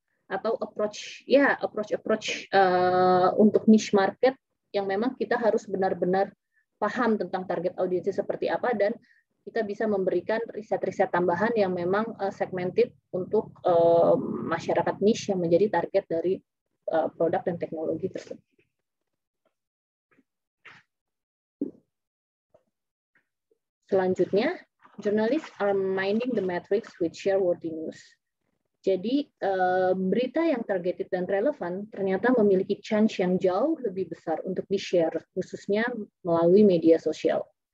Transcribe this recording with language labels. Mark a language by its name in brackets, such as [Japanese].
[Indonesian] Atau approach untuk niche market yang memang kita harus benar-benar paham tentang target audiensnya seperti apa, dan kita bisa memberikan riset-riset tambahan yang memang segmented untuk masyarakat niche yang menjadi target dari produk dan teknologi tersebut. [English] Selanjutnya, journalists are mining the metrics with share worthy news. [Indonesian] Jadi, berita yang targeted dan relevan ternyata memiliki chance yang jauh lebih besar untuk di-share, khususnya melalui media sosial.